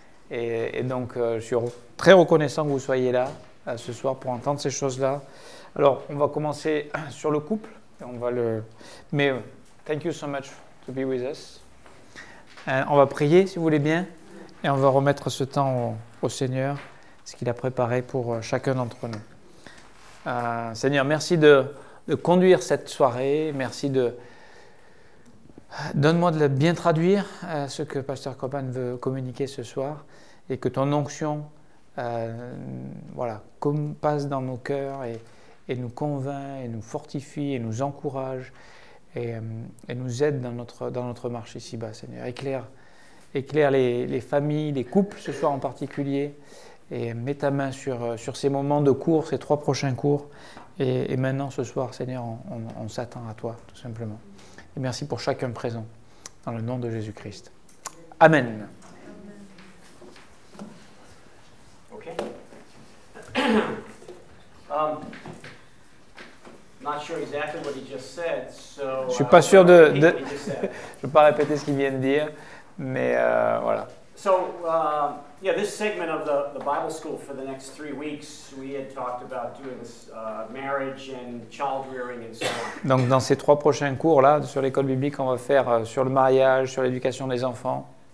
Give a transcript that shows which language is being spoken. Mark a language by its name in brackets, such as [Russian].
[French] Et donc, je suis très reconnaissant que vous soyez là ce soir pour entendre ces choses-là. Alors, on va commencer sur le couple. Mais [English] thank you so much to be with us. [French] On va prier, si vous voulez bien, et on va remettre ce temps au Seigneur, ce qu'il a préparé pour chacun d'entre nous. Seigneur, merci de conduire cette soirée, merci de... Donne-moi de bien traduire ce que Pasteur Copan veut communiquer ce soir, et que ton onction passe dans nos cœurs et nous convainc, et nous fortifie, et nous encourage, et nous aide dans notre marche ici-bas, Seigneur. Éclaire les familles, les couples, ce soir en particulier, et mets ta main sur ces moments de cours, ces trois prochains cours, et maintenant, ce soir, Seigneur, on s'attend à toi, tout simplement. Et merci pour chacun présent, dans le nom de Jésus-Christ. Amen. Ok. [English] Not sure exactly what he just said, so, [French] je ne suis pas sûr de... je ne vais pas répéter ce qu'il vient de dire, mais voilà. [English] This segment of the Bible school for the next 3 weeks, we had talked about doing this marriage and child rearing and so on. [French] Donc dans ces trois prochains cours là sur l'école biblique, on va faire sur le mariage, sur l'éducation des enfants.